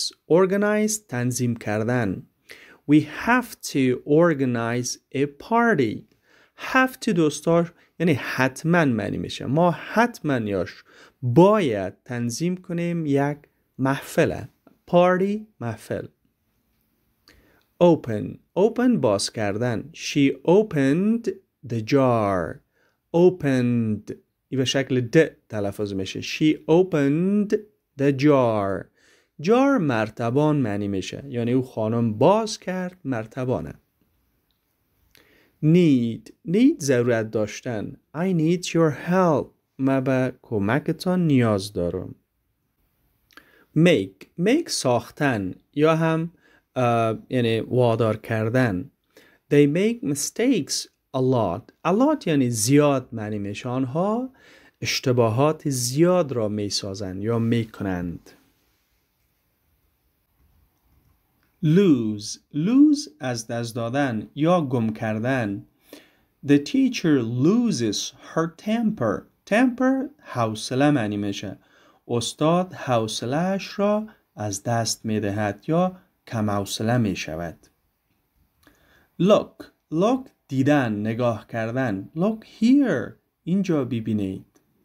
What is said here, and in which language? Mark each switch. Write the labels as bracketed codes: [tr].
[fa] Organize تنظیم کردن. [en] We have to organize a party. [fa] Have to دوستاش یعنی حتما معنی میشه. ما حتما یاش باید تنظیم کنیم یک محفل. Party محفل. Open باز کردن. [en] She opened the jar. [fa] Opened ای به شکل د تلفظ میشه. [en] She opened the jar. [fa] Jar مرتبان معنی میشه. یعنی او خانم باز کرد مرتبانه. Need ضرورت داشتن. I need your help. ما به کمکتان نیاز دارم. Make ساختن یا هم یعنی وادار کردن. [en] They make mistakes a lot. [fa] A lot یعنی زیاد معنی میشه. آنها اشتباهات زیاد را میسازند یا میکنند. Lose از دست دادن یا گم کردن. [en] The teacher loses her temper. [fa] Temper حوصله معنی میشه. استاد حوصله اش را از دست میدهد یا کم حوصله میشود. Look دیدن، نگاه کردن. Look here اینجا ببینید.